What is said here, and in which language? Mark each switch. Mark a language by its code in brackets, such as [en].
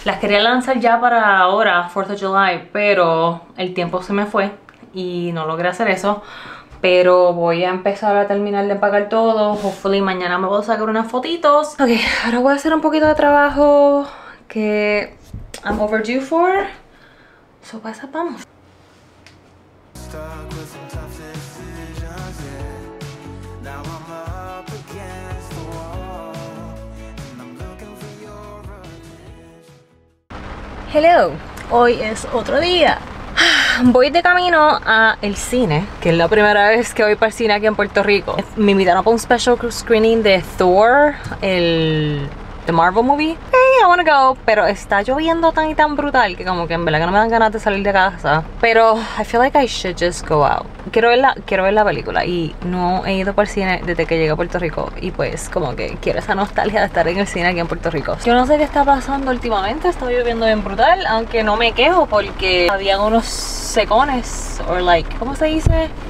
[es] Las quería lanzar ya para ahora, 4th of July, pero el tiempo se me fue y no logré hacer eso. Pero voy a empezar a terminar de empacar todo. Hopefully mañana me puedo sacar unas fotitos. Ok, ahora voy a hacer un poquito de trabajo que [en] I'm overdue for. [es] So, pues, vamos. [en] Stuck with some tough decisions, yeah. Now I'm up against the wall, and I'm looking for your revenge. [es] Hello, hoy es otro día. Voy de camino a el cine, que es la primera vez que voy para el cine aquí en Puerto Rico. Me invitaron para un [en] special screening de Thor, the Marvel movie. Hey, I wanna go. [es] Pero está lloviendo tan y tan brutal que como que en verdad que no me dan ganas de salir de casa. [en] Pero I feel like I should just go out. [es] Quiero ver la película y no he ido para el cine desde que llegué a Puerto Rico. Y pues como que quiero esa nostalgia de estar en el cine aquí en Puerto Rico. Yo no sé qué está pasando últimamente, está lloviendo bien brutal. Aunque no me quejo porque había unos secones o like, ¿cómo se dice?